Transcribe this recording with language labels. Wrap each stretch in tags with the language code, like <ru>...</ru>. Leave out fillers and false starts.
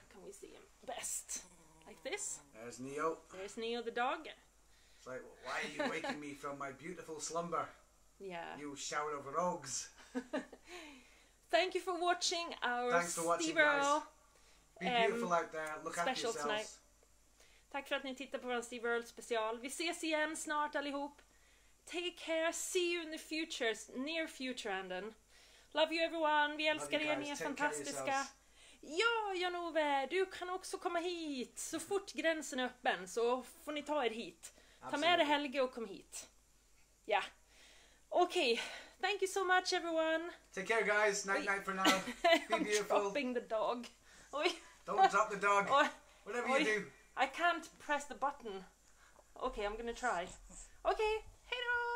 <en>Can we see him best? Like this? There's Neo. There's Neo the dog. It's like, well, why are you waking me from my beautiful slumber? Yeah. You shower of rogues. Thank you for watching our Thanks for watching, Steve Earl. Be beautiful out there. Look after yourselves. Tonight.</en> <sv>Tack för att ni tittar på vår Steve Earl special. Vi ses igen snart allihop.</sv> <en>Take care, see you in the future, near future, Anden. Love you everyone,</en> <sv>vi älskar er, ni är fantastiska. Ja, Janove, du kan också komma hit. Så fort gränsen är öppen så får ni ta er hit.</sv> <en>Absolutely.</en> <sv>Ta med dig Helge och kom hit. Ja. Yeah. Okej, okay.</sv> <en>Thank you so much everyone. Take care guys, night for now. I'm be beautiful. Dropping the dog. Oj. Don't drop the dog. Whatever you do. I can't press the button. Okay, I'm gonna try. Okay. Hey, no!</en>